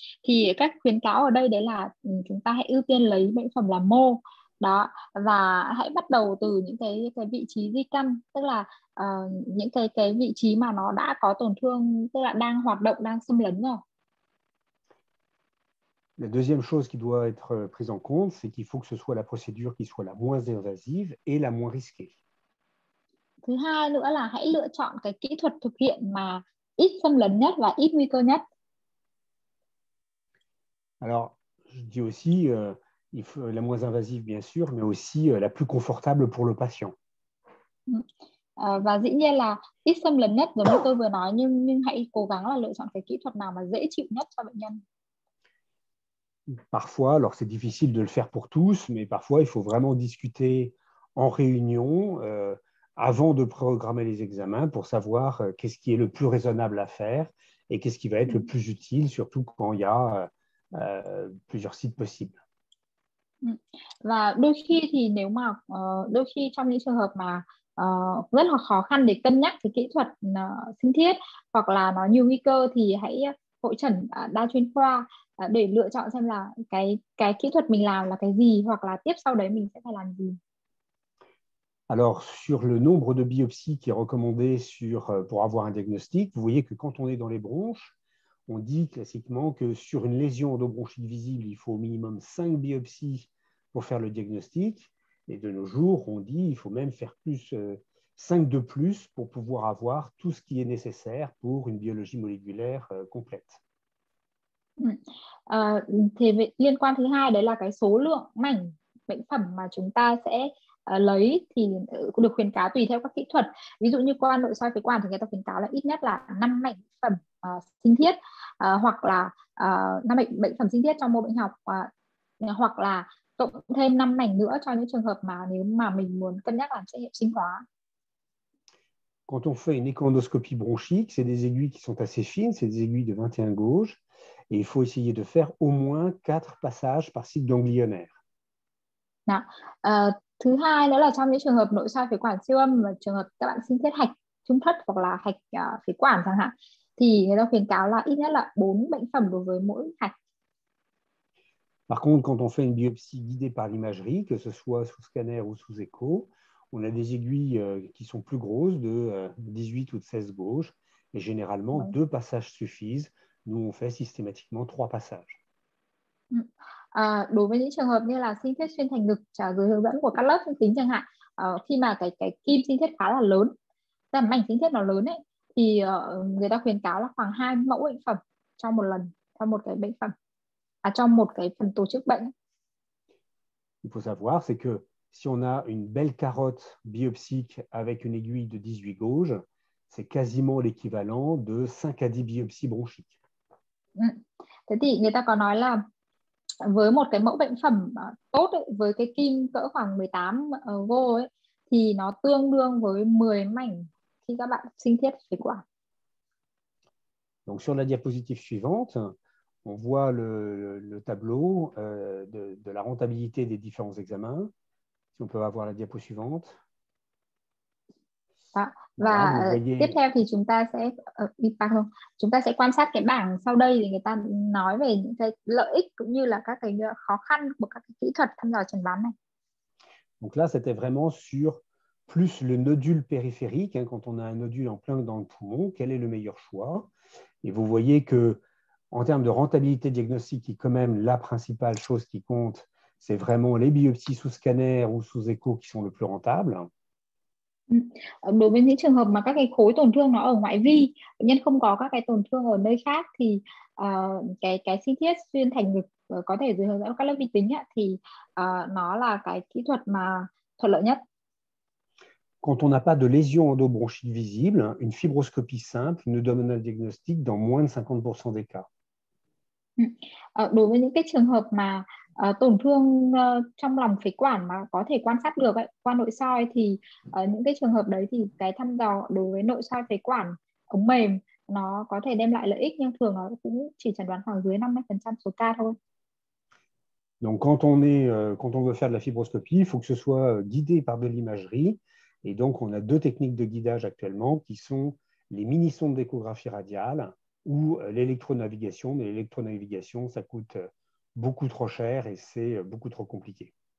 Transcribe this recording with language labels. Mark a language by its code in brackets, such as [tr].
[vi] Thì cách khuyến cáo ở đây đấy là chúng ta hãy ưu tiên lấy bệnh phẩm là mô đó, và hãy bắt đầu từ những cái vị trí di căn, tức là những cái vị trí mà nó đã có tổn thương, tức là đang hoạt động, đang xâm lấn rồi. [fr] La deuxième chose qui doit être prise en compte, c'est qu'il faut que ce soit la procédure qui soit la moins invasive et la moins risquée. [vi] Thứ hai nữa là hãy lựa chọn cái kỹ thuật thực hiện mà ít xâm lấn nhất và ít nguy cơ nhất. [fr] Alors, je dis aussi la moins invasive bien sûr, mais aussi la plus confortable pour le patient. [vi] Và dĩ nhiên là ít xâm lấn nhất giống như tôi vừa nói, nhưng hãy cố gắng là lựa chọn cái kỹ thuật nào mà dễ chịu nhất cho bệnh nhân. [fr] Parfois, alors c'est difficile de le faire pour tous, mais parfois il faut vraiment discuter en réunion avant de programmer les examens pour savoir qu'est-ce qui est le plus raisonnable à faire et qu'est-ce qui va être le plus utile, surtout quand il y a plusieurs sites possibles. [vi] Và đôi khi thì nếu mà đôi khi trong những trường hợp mà rất là khó khăn để cân nhắc cái kỹ thuật sinh thiết hoặc là nó nhiều nguy cơ, thì hãy hội chẩn đa chuyên khoa để lựa chọn xem là cái kỹ thuật mình làm là cái gì, hoặc là tiếp sau đấy mình sẽ phải làm gì. [fr] Alors, sur le nombre de biopsies qui est recommandé pour avoir un diagnostic, vous voyez que quand on est dans les bronches, on dit classiquement que sur une lésion endobronchique visible, il faut au minimum 5 biopsies pour faire le diagnostic. Et de nos jours, on dit qu'il faut même faire plus 5 de plus pour pouvoir avoir tout ce qui est nécessaire pour une biologie moléculaire complète. [vi] Thì liên quan thứ hai đấy là cái số lượng mảnh bệnh phẩm mà chúng ta sẽ lấy, thì được khuyến cáo tùy theo các kỹ thuật. Ví dụ như qua nội soi phế quản thì người ta khuyến cáo là ít nhất là 5 mảnh phẩm sinh thiết, hoặc là 5 bệnh phẩm sinh thiết trong mô bệnh học, hoặc là cộng thêm 5 mảnh nữa cho những trường hợp mà nếu mà mình muốn cân nhắc làm xét nghiệm sinh hóa. [fr] Quand on fait une échoendoscopie bronchique, c'est des aiguilles qui sont assez fines, c'est des aiguilles de 21 gauges. Et il faut essayer de faire au moins 4 passages par site ganglionnaire. [vi] Thứ hai nữa là trong những trường hợp nội soi phế quản siêu âm, trường hợp các bạn sinh thiết hạch trung thất hoặc là hạch phế quản chẳng hạn, thì người ta khuyến cáo là ít nhất là 4 bệnh phẩm đối với mỗi hạch. [fr] Par contre, quand on fait une biopsie guidée par l'imagerie, que ce soit sous scanner ou sous écho, on a des aiguilles qui sont plus grosses, de 18 ou de 16 gauges, et généralement, 2 passages suffisent. Nous, on fait systématiquement 3 passages. [vi] Đối với những trường hợp như là sinh thiết xuyên thành ngực dưới hướng dẫn của các lớp sinh tính chẳng hạn, khi mà cái kim sinh thiết khá là lớn, tầm mảnh sinh thiết nó lớn ấy, thì người ta khuyến cáo là khoảng 2 mẫu bệnh phẩm cho một lần, cho một cái bệnh phẩm, cho một cái phần tổ chức bệnh. [fr] Il faut savoir, c'est que si on a une belle carotte biopsique avec une aiguille de 18 gauges, c'est quasiment l'équivalent de 5 à 10 biopsies bronchiques. [vi] Thế thì người ta có nói là với một cái mẫu bệnh phẩm tốt ấy, với cái kim cỡ khoảng 18 vô ấy, thì nó tương đương với 10 mảnh khi các bạn sinh thiết phế quản. [fr] Donc sur la diapositive suivante, on voit le tableau de la rentabilité des différents examens. Si on peut avoir la diapo suivante. [vi] Đó. Và [fr] voyez... [vi] tiếp theo thì chúng ta sẽ chúng ta sẽ quan sát cái bảng sau đây, thì người ta nói về những cái lợi ích cũng như là các cái khó khăn của các cái kỹ thuật thăm dò chẩn đoán này. [fr] Donc là c'était vraiment sur plus le nodule périphérique, hein, quand on a un nodule en plein dans le poumon, quel est le meilleur choix? Et vous voyez que en termes de rentabilité diagnostique, qui est quand même la principale chose qui compte, c'est vraiment les biopsies sous scanner ou sous écho qui sont le plus rentables. [vi] Đối với những trường hợp mà các cái khối tổn thương nó ở ngoại vi, bệnh nhân không có các cái tổn thương ở nơi khác, thì cái sinh thiết xuyên thành ngực có thể dưới hướng dẫn các lớp vi tính ấy, thì nó là cái kỹ thuật mà thuận lợi nhất. [fr] Quand on n'a pas de lésion endobronchique visible, une fibroscopie simple ne donne un diagnostic dans moins de 50% des cas. [vi] Đối với những cái trường hợp mà tổn thương trong lòng phế quản mà có thể quan sát được ấy, qua nội soi thì những cái trường hợp đấy thì cái thăm dò đối với nội soi phế quản ống mềm nó có thể đem lại lợi ích, nhưng thường nó cũng chỉ chẩn đoán khoảng dưới 50% số ca thôi. [fr] Donc quand on est quand on veut faire de la fibroscopie, il faut que ce soit guidé par de l'imagerie, et donc on a deux techniques de guidage actuellement qui sont les mini-sondes d'échographie radiale ou l'électronavigation. Mais l'électronavigation, ça coûte beaucoup trop cher et c'est beaucoup trop compliqué.